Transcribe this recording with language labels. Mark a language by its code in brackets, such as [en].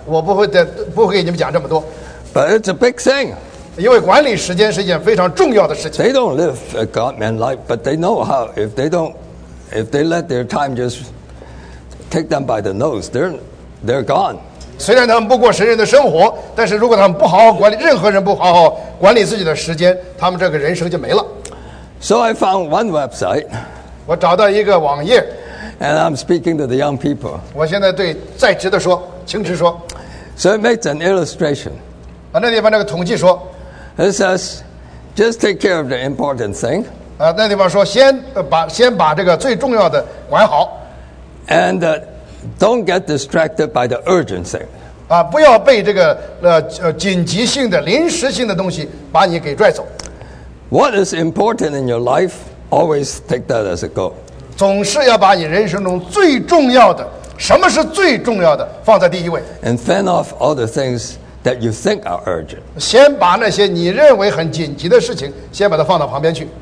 [zh] 我不会给你们讲这么多。 [en] But it's a big thing. [zh] 因为管理时间是一件非常重要的事情。 [en] They don't live a God-man life, but they know how. If they let their time just take them by the nose, they're gone. [zh] 虽然他们不过神人的生活，但是如果他们不好好管理，任何人不好好管理自己的时间，他们这个人生就没了。 [en] So I found one website. [zh] 我找到一个网页。 [en] And I'm speaking to the young people. [zh] 我现在对在职的说，青职说。 [en] So it makes an illustration. [zh] 那地方那个统计说 [en] ，It says, just take care of the important thing. [zh] 那地方说先把这个最重要的管好 [en] ，and don't get distracted by the urgent thing. [zh] 不要被这个紧急性的、临时性的东西把你给拽走。 [en] What is important in your life, always take that as a goal. [zh] 总是要把你人生中最重要的，什么是最重要的，放在第一位。 [en] And fan off all the things. That you think are urgent. [zh] 先把那些你认为很紧急的事情，先把它放到旁边去。